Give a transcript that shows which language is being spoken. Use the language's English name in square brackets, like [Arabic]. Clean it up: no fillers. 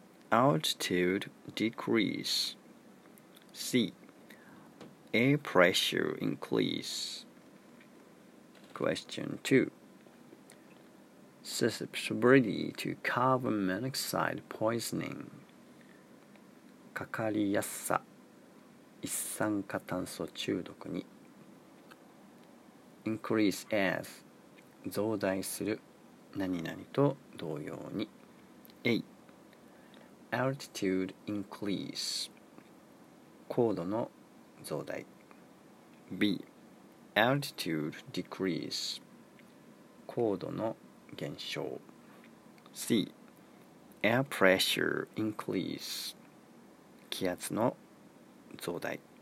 [English] Altitude decrease. C. Air pressure increase. Question 2. Susceptibility to carbon monoxide poisoning. [Japanese] かかりやすさ一酸化炭素中毒に [English] Increase as [Japanese] 増大する何々と同様に A. [English] Altitude increase [Japanese] 高度の増大 [English] B. Altitude decrease [Japanese] 高度の減少 [English] C. Air pressure increase [Japanese] 気圧の増大。